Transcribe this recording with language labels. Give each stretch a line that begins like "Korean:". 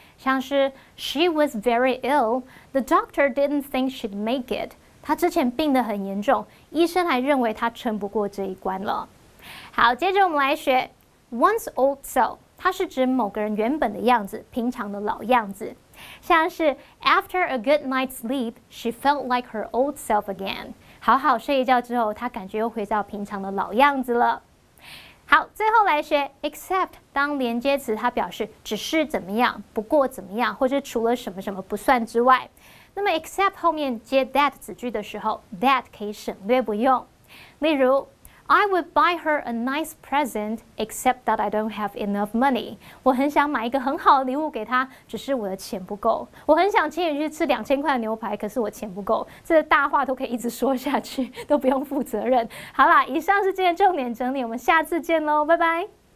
English: 像是 She was very ill, the doctor didn't think she'd make it.
Chinese: 她之前病得很严重，医生还认为她撑不过这一关了。好，接着我们来学 once old self， 它是指某个人原本的样子，平常的老样子。
English: 像是 After a good night's sleep, she felt like her old self again.
Chinese: 好好睡一觉之后，他感觉又回到平常的老样子了。好，最后来学 except 当连接词，它表示只是怎么样，不过怎么样，或者除了什么什么不算之外。那么 except 后面接 that 子句的时候， that 可以省略不用。
English: 例如 I would buy her a nice present except that I don't have enough money.
Chinese: 我很想买一个很好的礼物给她，只是我的钱不够。我很想请你去吃2000块的牛排，可是我钱不够。这大话都可以一直说下去，都不用负责任。好啦，以上是今天重点整理，我们下次见咯，拜拜。